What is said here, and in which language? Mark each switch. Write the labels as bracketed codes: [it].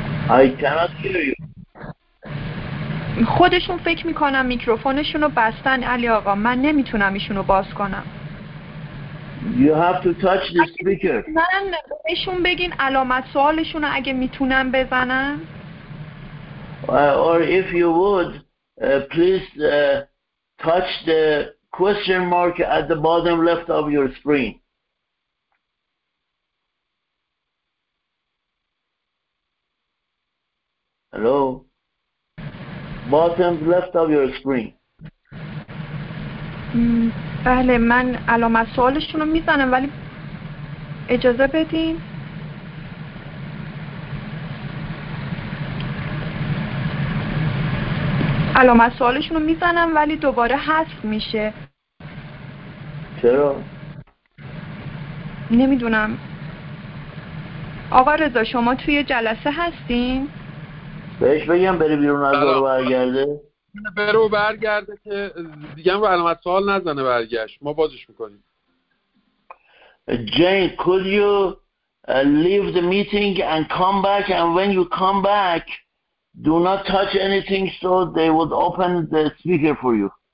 [en] I cannot hear you. [fa] خودشون فکر میکنم میکروفونشون رو بستن علی آقا. من نمیتونم ایشون رو باز کنم. [en] You have to touch the speaker. [fa] من بهشون بگین علامت سوالشون رو اگه میتونم بزنم. [en] Or if you would, please touch the question mark at the bottom left of your screen. Hello? Bottom left of your screen. [fa] بله، من علامت سوالشون رو میزنم ولی اجازه بدین. علامت سوالشون رو میزنم ولی دوباره حذف میشه. چرا؟ نمیدونم. آقا رضا، شما توی جلسه هستین؟ بهش بگم بره بیرون از دور برگرده. برو برگرده که دیگه هم علامت سوال نزنه برگشت. ما بازش میکنیم. [en] Jane, could you leave the meeting and come back, and when you come back do not touch anything so they would open the speaker for you.